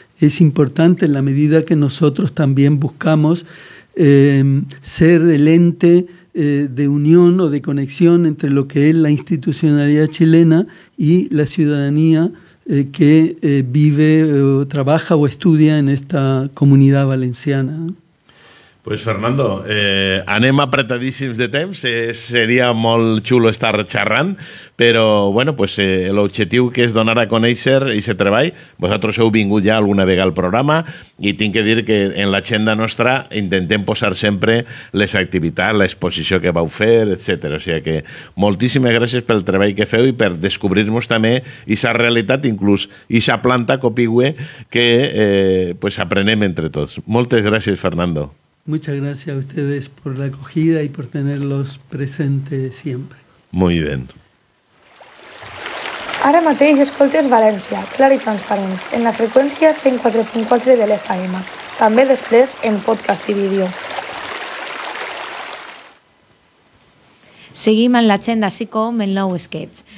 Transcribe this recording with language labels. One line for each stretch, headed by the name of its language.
Spanish: Es importante en la medida que nosotros también buscamos ser el ente de unión o de conexión entre lo que es la institucionalidad chilena y la ciudadanía que vive o trabaja o estudia en esta comunidad valenciana.
Catalan: Pues Fernando, anem apretadíssims de temps, seria molt xulo estar xerrant, però bueno, pues, l'objectiu que és donar a conèixer aquest treball, vosaltres heu vingut ja alguna vegada al programa i tinc que dir que en l'agenda nostra intentem posar sempre les activitats, l'exposició que vau fer, etc. O sigui que moltíssimes gràcies pel treball que feu i per descobrir-nos també aquesta realitat, inclús aquesta planta copigüe que pues, aprenem entre tots. Moltes gràcies, Fernando.
Spanish: Muchas gracias a ustedes por la acogida y por tenerlos presentes siempre. Muy bien.
Catalan: Ara mateix escoltes València, clar i transparent, en la freqüència 104.4 de l'FM. També després en podcast i vídeo. Seguim en l'agenda SICOM el nou sketch.